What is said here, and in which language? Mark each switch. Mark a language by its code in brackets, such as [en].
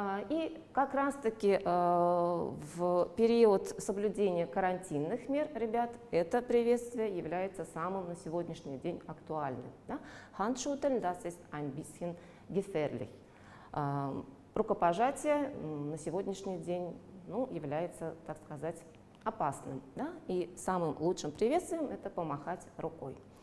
[ru] И как раз-таки в период соблюдения карантинных мер, ребят, это приветствие является самым на сегодняшний день актуальным. Да? [de] Handschütteln, das ist ein bisschen gefährlich. [ru] Рукопожатие на сегодняшний день, ну, является, так сказать, опасным. Да? И самым лучшим приветствием это помахать рукой.